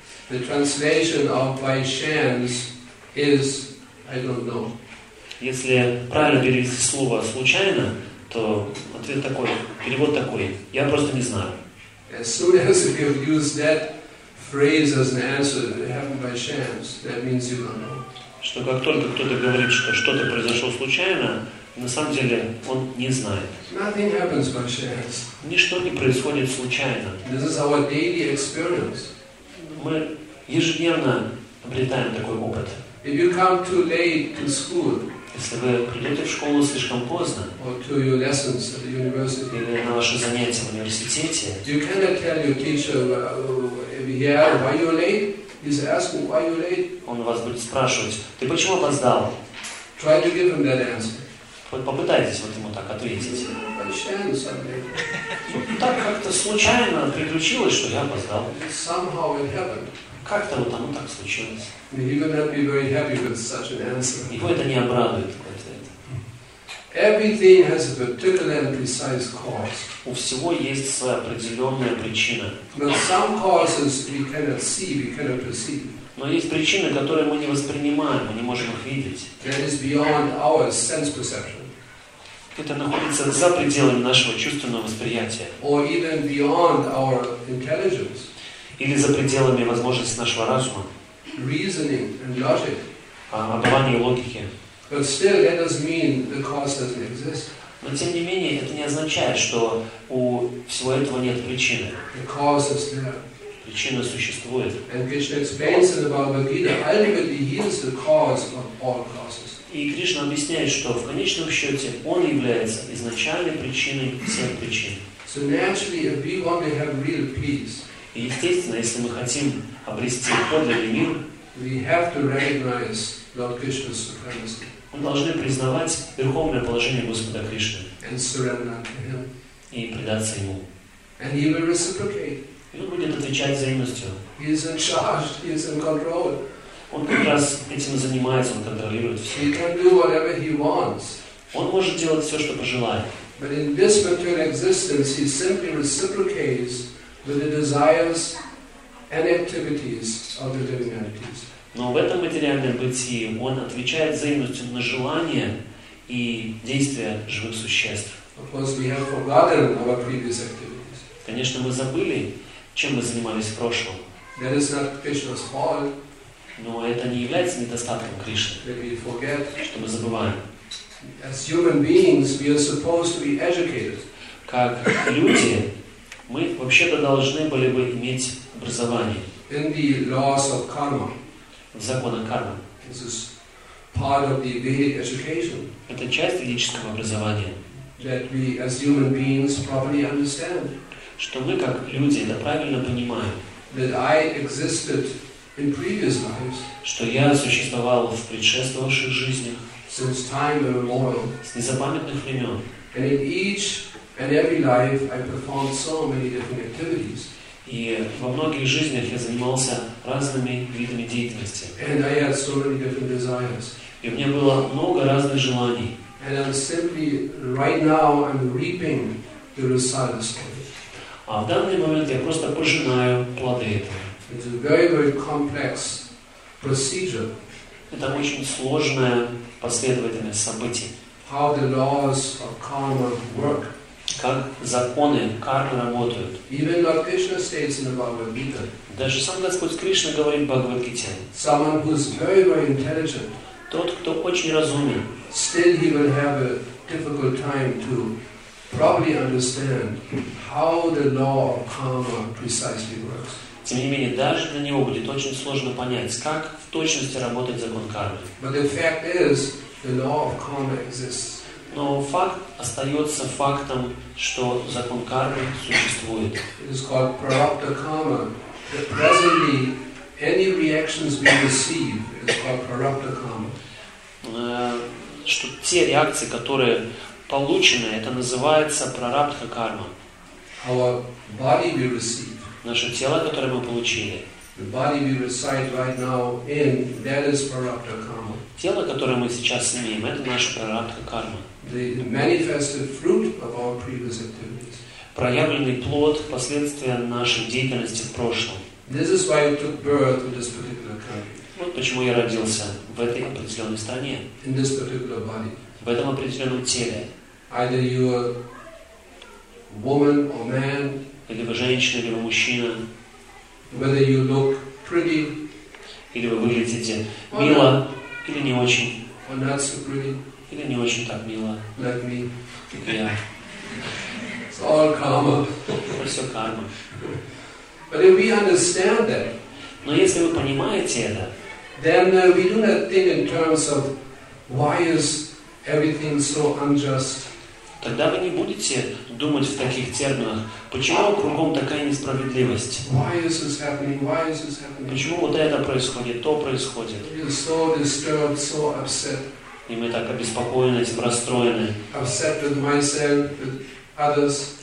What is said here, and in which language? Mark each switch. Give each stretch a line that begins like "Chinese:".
English: The translation of by chance is I don't know.
Russian: Если правильно перевести слово случайно, то ответ такой, перевод такой. Я просто не знаю.
English: As soon as you have used that phrase as an answer, it happened by chance, that means you don't know.
Russian: Что как только кто-то говорит, что что-то произошло случайно, на самом деле он не знает.
English: Nothing happens by chance.
Russian: Ничто не происходит случайно.
English: This is our daily experience.
Russian: Мы ежедневно обретаем такой опыт.
English: If you come too late to school,
Russian: если вы придете в школу слишком поздно,
English: or to your lessons at the university,
Russian: или на ваши занятия в университете,
English: you cannot tell your teacher, why you late? He's asking, why you late?
Russian: Он вас будет спрашивать, ты почему опоздал?
English: Try to give him that answer.
Russian: Вот попытайтесь вот ему так ответить.
English: By chance, I'm late.
Russian: Так как-то случайно приключилось, что я опоздал.
English: Somehow it happened.
Russian: Как-то вот оно так случилось.
English: He would not be very happy with such an answer.
Russian: Его это не обрадует, такой ответ.
English: Everything has a particular and precise cause.
Russian: У всего есть своя определенная причина.
English: But some causes we cannot see, we cannot perceive.
Russian: Но есть причины, которые мы не воспринимаем, мы не можем их видеть.
English: That is beyond our sense perception.
Russian: Это находится за пределами нашего чувственного восприятия.
English: Or even beyond our intelligence.
Russian: Или за пределами возможностей нашего разума.
English: Reasoning and logic.
Russian: Обывание и логики.
English: But still, that doesn't mean the cause doesn't exist.
Russian: Но тем не менее, это не означает, что у всего этого нет причины.
English: The cause is there.
Russian: Причина существует.
English: And Krishna explains in the Bhagavad Gita, ultimately he is the cause of all causes.
Russian: И Кришна объясняет, что в конечном счете Он является изначальной причиной всех причин.
English: So naturally, if we want to have real peace,
Russian: и естественно, если мы хотим обрести подлинный мир,
English: we have to recognize Lord Krishna's supremacy.
Russian: Мы должны признавать верховное положение Господа Кришны.
English: And surrender to Him.
Russian: И предаться Ему.
English: And He will reciprocate.
Russian: И Он будет отвечать взаимностью.
English: He is in charge, He is in control.
Russian: Он как раз этим занимается, он контролирует все.
English: He can do whatever he wants.
Russian: Он может делать все, что пожелает.
English: But in this material existence, he simply reciprocates with the desires and activities of the living entities.
Russian: Но в этом материальном бытии он отвечает взаимностью на желания и действия живых существ.
English: Of course, we have forgotten our previous activities.
Russian: Конечно, мы забыли, чем мы занимались в прошлом.
English: That is not Krishna's fault.
Russian: Но это не является недостатком Кришны, что мы забываем.
English: As human beings, we are supposed to be educated.
Russian: Как люди, мы вообще-то должны были бы иметь образование.
English: In the laws of karma.
Russian: В законах кармы.
English: This is part of the Vedic education.
Russian: Это часть ведического образования.
English: That we, as human beings, properly understand.
Russian: Что мы, как люди, это правильно понимаем.
English: That I existed in previous lives,
Russian: что я существовал в предшествовавших жизнях,
English: since time immemorial,
Russian: с незапамятных времен,
English: and in each and every life I performed so many different activities,
Russian: и во многих жизнях я занимался разными видами деятельности,
English: and I had so many different desires,
Russian: и у меня было много разных желаний,
English: and I'm simply right now I'm reaping the results of it.
Russian: А в данный момент я просто пожинаю плоды этого.
English: It's a very, very complex procedure.
Russian: Это очень сложная последовательность событий.
English: How the laws of karma work.
Russian: Как законы кармы работают.
English: Even Lord Krishna states in the Bhagavad Gita.
Russian: Даже сам Господь Кришна говорит в Бхагавад Гите.
English: Someone who is very, very intelligent.
Russian: Тот, кто очень разумен.
English: Still, he will have a difficult time to properly understand how the law of karma precisely works.
Russian: Тем не менее, даже для него будет очень сложно понять, как в точности работает закон кармы.
English: But the fact is, the law of karma exists.
Russian: Но факт остается фактом, что закон кармы существует.
English: It is called prarabdha karma. That presently, any reactions we receive is called prarabdha karma.
Russian: Что те реакции, которые получены, это называется прарабдха карма.
English: Our body we receive.
Russian: Наше тело, которое мы получили,
English: The body we reside right now in, that is prarabdha karma.
Russian: Тело, которое мы сейчас имеем, это наша прарабдха карма.
English: The manifested fruit of our previous activities.
Russian: Проявленный плод последствия нашей деятельности в прошлом.
English: This is why you took birth in this particular country.
Russian: Вот почему я родился в этой определенной стране.
English: In this particular body.
Russian: В этом определенном теле.
English: Either you are woman or man.
Russian: Или вы женщина, или вы мужчина.
English: Whether you look pretty.
Russian: Или вы выглядите мило, или не очень.
English: Or not so pretty.
Russian: Или не очень так мило.
English: Like me.
Russian: Я.
English: It's all karma.
Russian: Все карма.
English: But if we understand that.
Russian: Но если вы понимаете это.
English: Then we do not think in terms of why is everything so unjust.
Russian: Тогда вы не будете думать в таких терминах, почему кругом такая несправедливость?
English: Why is this happening? Why is this happening?
Russian: Почему вот это происходит, то происходит?
English: We are so disturbed, so upset.
Russian: И мы так обеспокоены, этим расстроены.
English: Upset with myself, with others.